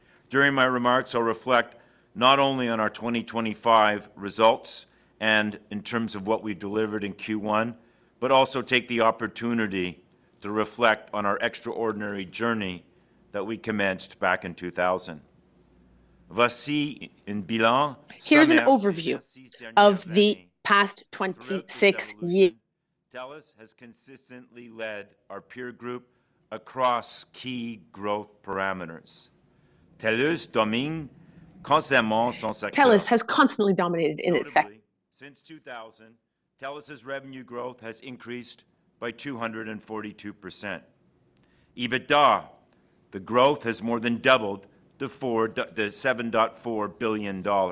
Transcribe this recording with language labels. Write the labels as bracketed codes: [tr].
[en] During my remarks, I'll reflect not only on our 2025 results and in terms of what we've delivered in Q1, but also take the opportunity to reflect on our extraordinary journey that we commenced back in 2000. [fr] Voici un bilan. [en] Here's an overview of the past 26 years. TELUS has consistently led our peer group across key growth parameters. [fr] TELUS domine constamment son secteur. [en] TELUS has constantly dominated in its sector. Since 2000, TELUS's revenue growth has increased by 242%. EBITDA, the growth has more than doubled to $7.4 billion.